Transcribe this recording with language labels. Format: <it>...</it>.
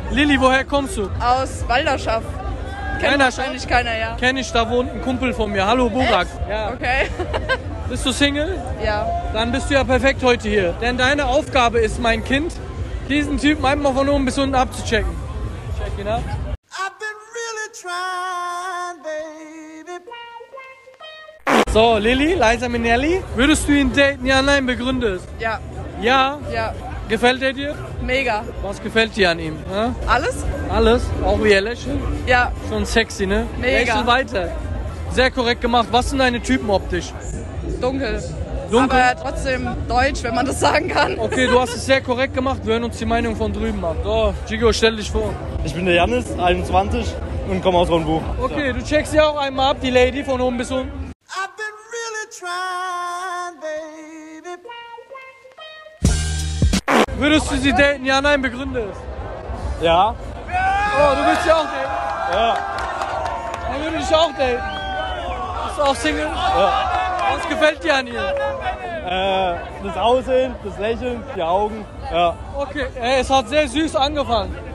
<de>Lilly, woher kommst du? Aus Walderschaff. Kennt wahrscheinlich keiner, ja. Kenn ich, da wohnt ein Kumpel von mir. Hallo, Burak. Ja. Okay. Bist du Single? Ja. Dann bist du ja perfekt heute hier. Denn deine Aufgabe ist, mein Kind, diesen Typen einmal von oben bis unten abzuchecken. Check ihn ab.</de> <en>I've been really trying, baby.</en> <de>So, Lilly, Liza Minnelli. Würdest du ihn daten? Ja, nein, begründet. Ja. Ja? Ja. Gefällt er dir? Mega. Was gefällt dir an ihm? Ne? Alles? Alles? Auch wie er lächelt? Ja. Schon sexy, ne? Mega. Lächel weiter. Sehr korrekt gemacht. Was sind deine Typen optisch? Dunkel. Dunkel? Aber trotzdem deutsch, wenn man das sagen kann. Okay, du hast es sehr korrekt gemacht. Wir hören uns die Meinung von drüben ab. So, Gigo, stell dich vor. Ich bin der Janis, 21 und komme aus Rondbuch. Okay, so. Du checkst ja auch einmal ab, die Lady, von oben bis unten.</de> <en>I've been really trying, baby.</en> <de>Würdest du sie daten? Ja, nein, begründe es. Ja. Oh, du willst sie auch daten? Ja. Dann würde ich auch daten. Bist du auch Single? Ja. Was gefällt dir an ihr? Das Aussehen, das Lächeln, die Augen. Ja. Okay, ey, es hat sehr süß angefangen.</de>